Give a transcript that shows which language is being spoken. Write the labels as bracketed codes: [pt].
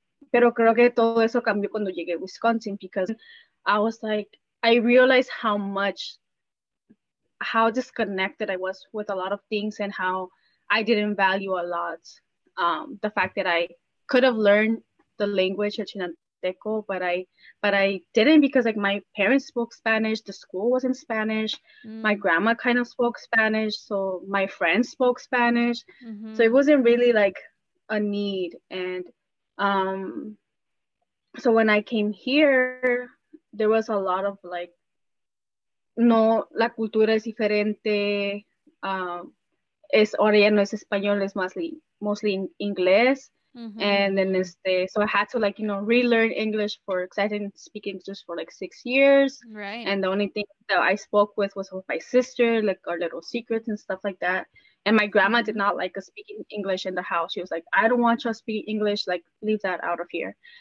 [es] Pero creo que todo eso cambió cuando llegué a Wisconsin, [en] because I was like, I realized how disconnected I was with a lot of things, and how I didn't value a lot the fact that I could have learned the language of Chinanteco, but I didn't, because like my parents spoke Spanish, the school was in Spanish, my grandma kind of spoke Spanish, so my friends spoke Spanish, so it wasn't really like a need. And so when I came here, there was a lot of like, [es] no, la cultura es diferente. Es Ahora ya no es español, es [en] mostly [es] inglés. [en] And then so I had to like, relearn English, because I didn't speak English for like 6 years. And the only thing that I spoke was with my sister, like our little secrets and stuff like that. And my grandma did not like us speaking English in the house. She was like, I don't want you speaking English, like leave that out of here.